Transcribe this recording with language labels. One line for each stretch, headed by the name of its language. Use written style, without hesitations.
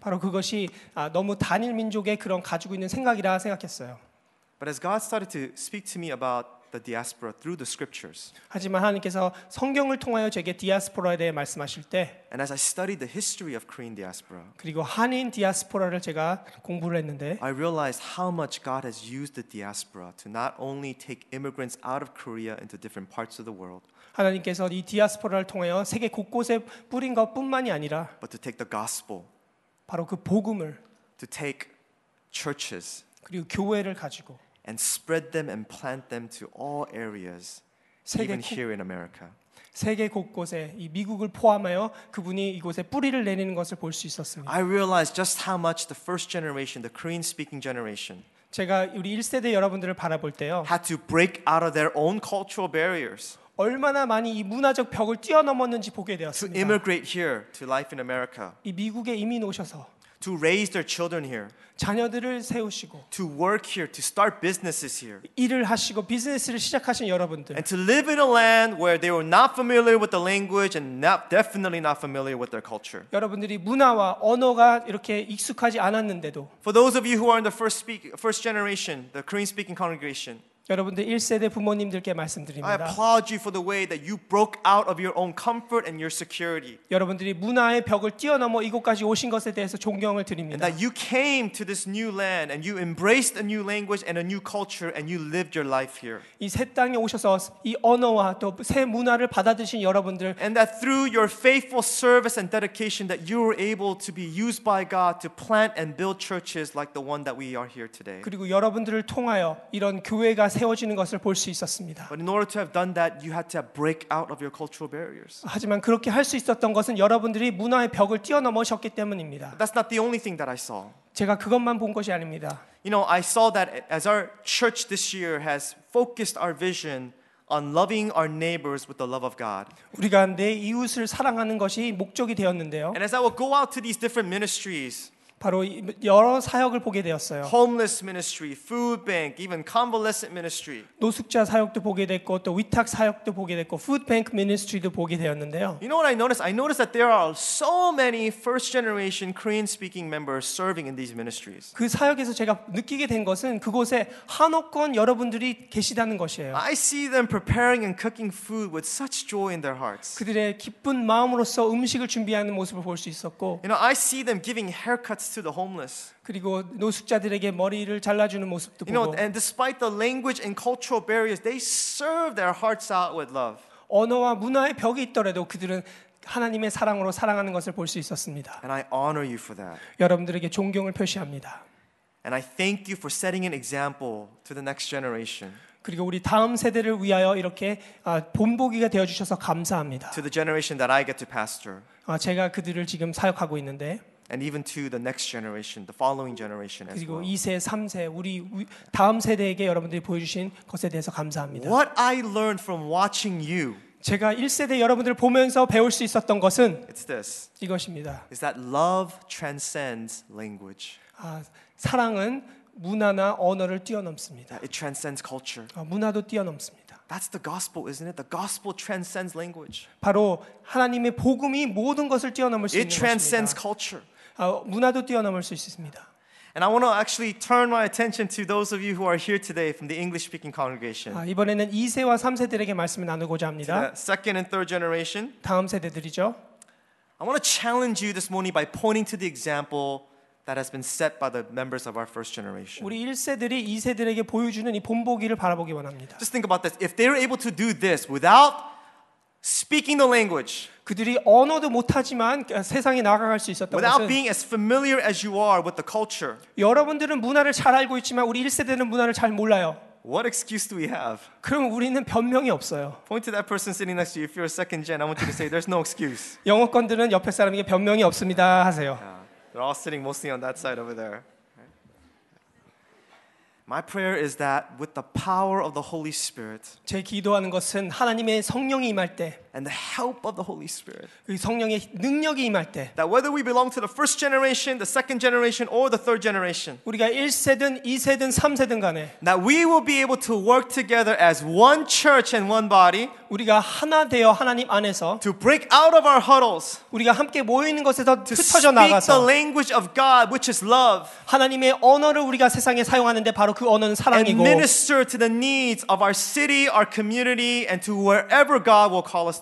Korean: 바로 그것이 너무 단일 민족의 그런 가지고 있는 생각이라 생각했어요.
English: But as God started to speak to me about the diaspora through the scriptures.
Korean: 하지만 하나님께서 성경을 통하여 제게 디아스포라에 대해 말씀하실 때
English: And as I studied the history of Korean diaspora.
Korean: 그리고 한인 디아스포라를 제가 공부를 했는데
English: I realized how much God has used the diaspora to not only take immigrants out of Korea into different parts of the world.
Korean: 하나님께서 이 디아스포라를 통하여 세계 곳곳에 뿌린 것뿐만이 아니라
English: But to take the gospel.
Korean: 바로 그 복음을
English: to take churches.
Korean: 그리고 교회를 가지고
English: and spread them and plant them to all areas even here in America.
Korean: 세계 곳곳에 이 미국을 포함하여 그분이 이곳에 뿌리를 내리는 것을 볼 수 있었습니다.
English: I realized just how much the first generation, the Korean speaking generation
Korean: 제가 우리 1세대 여러분들을 바라볼 때요.
English: had to break out of their own cultural barriers.
Korean: 얼마나 많이 이 문화적 벽을 뛰어넘었는지 보게 되었습니다.
English: To immigrate here to life in America.
Korean: 이 미국에 이민 오셔서
English: To raise their children here.
Korean: 자녀들을 세우시고.
English: To work here, to start businesses here.
Korean: 일을 하시고 비즈니스를 시작하신 여러분들.
English: And to live in a land where they were not familiar with the language and not definitely not familiar with their culture.
Korean: 여러분들이 문화와 언어가 이렇게 익숙하지 않았는데도.
English: For those of you who are in the first generation, the Korean speaking congregation.
Korean: 여러분들 1세대 부모님들께 말씀드립니다.
English: I applaud you for the way that you broke out of your own comfort and your security.
Korean: 여러분들이 문화의 벽을 뛰어넘어 이곳까지 오신 것에 대해서 존경을 드립니다.
English: And that you came to this new land and you embraced a new language and a new culture and you lived your life here.
Korean: 이 새 땅에 오셔서 이 언어와 또 새 문화를 받아들이신 여러분들
English: And that through your faithful service and dedication that you were able to be used by God to plant and build churches like the one that we are here today.
Korean: 그리고 여러분들을 통하여 이런 교회가 세워지는 것을 볼 수 있었습니다.
English: But in order to have done that, you had to break out of your cultural barriers.
Korean: 하지만 그렇게 할 수 있었던 것은 여러분들이 문화의 벽을 뛰어넘으셨기 때문입니다.
English: That's not the only thing that I saw.
Korean: 제가 그것만 본 것이 아닙니다.
English: You know, I saw that as our church this year has focused our vision on loving our neighbors with the love of God.
Korean: 우리가 내 이웃을 사랑하는 것이 목적이 되었는데요.
English: And as I would go out to these different ministries.
Korean: 바로 여러 사역을 보게 되었어요.
English: Homeless ministry, food bank, even convalescent ministry.
Korean: 노숙자 사역도 보게 됐고 또 위탁 사역도 보게 됐고
English: food bank ministry
Korean: 도 보게 되었는데요.
English: You know what I noticed? I noticed that there are so many first generation Korean speaking members serving in these ministries.
Korean: 그 사역에서 제가 느끼게 된 것은 그곳에 한옥권 여러분들이 계시다는 것이에요.
English: I see them preparing and cooking food with such joy in their hearts.
Korean: 그들의 기쁜 마음으로서 음식을 준비하는 모습을 볼 수 있었고
English: You know, I see them giving haircuts to the homeless.
Korean: 그리고 노숙자들에게 머리를 잘라주는 모습도 보고.
English: You know, and despite the language and cultural barriers, they serve their hearts out with love.
Korean: 언어와 문화의 벽이 있더라도 그들은 하나님의 사랑으로 사랑하는 것을 볼 수 있었습니다.
English: And I honor you for that.
Korean: 여러분들에게 존경을 표시합니다.
English: And I thank you for setting an example to the next generation.
Korean: 그리고 우리 다음 세대를 위하여 이렇게 본보기가 되어 주셔서 감사합니다.
English: To the generation that I get to pastor.
Korean: 제가 그들을 지금 사역하고 있는데.
English: And even to the next generation, the following generation as well.
Korean: 그리고 2세, 3세, 우리 다음 세대에게 여러분들이 보여주신 것에 대해서 감사합니다.
English: What I learned from watching you.
Korean: 제가 1세대 여러분들을 보면서 배울 수 있었던 것은
English: It's this.
Korean: 이것입니다.
English: Is that love transcends language.
Korean: 사랑은 문화나 언어를 뛰어넘습니다.
English: It transcends culture.
Korean: 문화도 뛰어넘습니다.
English: That's the gospel, isn't it? The gospel transcends language.
Korean: 바로 하나님의 복음이 모든 것을 뛰어넘을 수 있습니다.
English: It transcends culture.
Korean: 문화도 뛰어넘을 수 있습니다.
English: And I want to actually turn my attention to those of you who are here today from the English speaking congregation.
Korean: 이번에는 2세와 3세들에게 말씀을 나누고자 합니다.
English: Second and third generation.
Korean: 다음 세대들이죠.
English: I want to challenge you this morning by pointing to the example that has been set by the members of our first generation.
Korean: 우리 1세들이 2세들에게 보여주는 이 본보기를 바라보기 원합니다.
English: Just think about this. If they were able to do this without speaking the language,
Korean: 그들이 언어도 못하지만 세상에 나아갈 수 있었던
English: without
Korean: 것은
English: being as familiar as you are with the culture.
Korean: 여러분들은 문화를 잘 알고 있지만 우리 1세대는 문화를 잘 몰라요.
English: What excuse do we have?
Korean: 그럼 우리는 변명이 없어요.
English: Point to that person sitting next to you. If you're a second gen, I want you to say there's no excuse.
Korean: 영어권들은 옆에 사람에게 변명이 없습니다 하세요.
English: They're all sitting mostly on that side over there. My prayer is that with the power of the Holy Spirit,
Korean: 제 기도하는 것은 하나님의 성령이 임할 때,
English: and the help of the Holy Spirit,
Korean: 그 성령의 능력이 임할 때,
English: that whether we belong to the first generation, the second generation, or the third generation,
Korean: 우리가 1세든 2세든 3세든 간에,
English: that we will be able to work together as one church and one body,
Korean: 우리가 하나 되어 하나님 안에서,
English: to break out of our huddles,
Korean: 우리가 함께 모이는 곳에서 흩어져
English: speak
Korean: 나가서,
English: speak the language of God, which is love,
Korean: 하나님의 언어를 우리가 세상에 사용하는데 바로 그 언어는 사랑이고,
English: and minister to the needs of our city, our community, and to wherever God will call us.